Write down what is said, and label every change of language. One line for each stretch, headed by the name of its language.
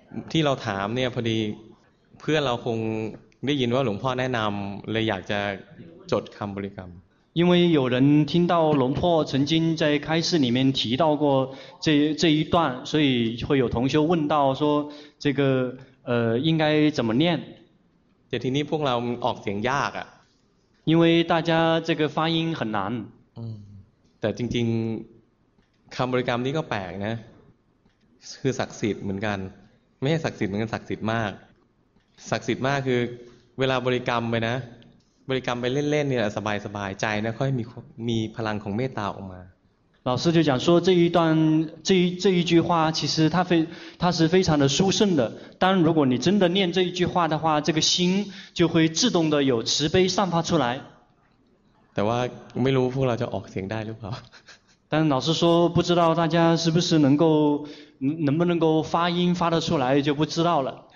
Thai: ที่เราถามเนี่ยพอดีเพื่อนเราคงได้ยินว่าหลวงพ่อแนะนำเลยอยากจะจดคำบริกรรม
Chinese: 因为有人听到龙破曾经在开示里面提到过这一段，所以会有同修问到说这个应该怎么念？
Thai: แต่ทีนี้พวกเราออกเสียงยากอ่ะ
Chinese: 因为大家这个发音很难。
Thai: แต่จริงๆคำบริกรรมนี้ก็แปลกนะคือศักดิ์สิทธิ์เหมือนกัน ไม่ใช่ศักดิ์สิทธิ์มันก็ศักดิ์สิทธิ์มากศักดิ์สิทธิ์มากคือเวลาบริกรรมไปนะบริกรรมไปเล่นๆเนี่ยสบายๆใจนะค่อยมีพลังของเมตตาออกมา
Chinese: 老师就讲说这一段这一句话其实它是非常的殊胜的当如果你真的念这一句话的话这个心就会自动的有慈悲散发出来
Thai: แต่ว่าไม่รู้พวกเราจะออกเสียงได้หรือเปล่า
Chinese: 但老师说不知道大家是不是能不能够发音发得出来就不知道了